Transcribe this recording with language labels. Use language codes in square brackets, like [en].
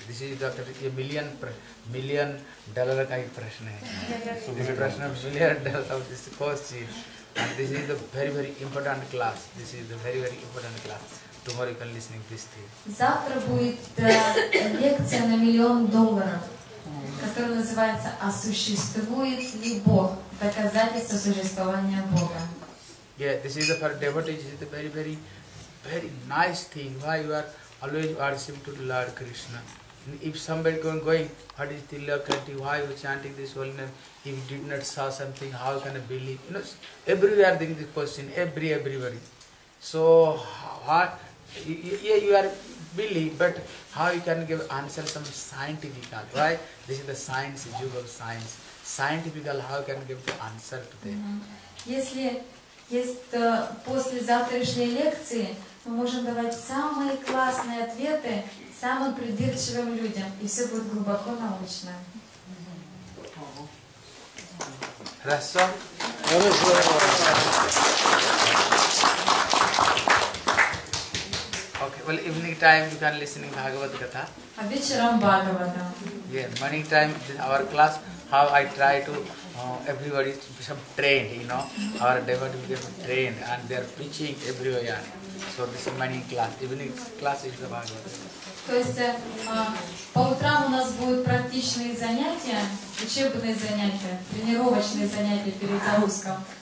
[en] This is the million dollar kind of question. This question of million dollars of this course is. And this is the very very important class. This is the very very important class. Tomorrow you can listening this thing. [ru] Завтра будет лекция на миллион долларов, которая называется «А существует ли Бог? Доказательство существования Бога». [en] Yeah, this is for devotees. This is the very, very, very nice thing. Why you are always worshiping to Lord Krishna? If somebody going, what is Tilakanti, why we chanting this holy name? If you did not saw something, how can I believe? You know, everywhere there is this question, everybody. So, what? Yeah, you are believe, but how you can give answer some scientific, right? This is the science, jug of science. Scientific, how you can give the answer to them? [ru] Есть после завтрашней лекции, мы можем давать самые классные ответы самым придирчивым людям, и все будет глубоко научно. Хорошо. Хорошо. [en] Okay, well, evening time you can listen to Bhagavad Gita. [ru] А вечером Бхагавата. [en] Yeah, morning time our class, how I try to everybody become trained, you know, our devotees become trained and they are preaching everywhere. So this is morning class, evening class is the Bhagavad Gita. [ru] То есть по утрам у нас будут практичные занятия, учебные занятия, тренировочные занятия перед запуском.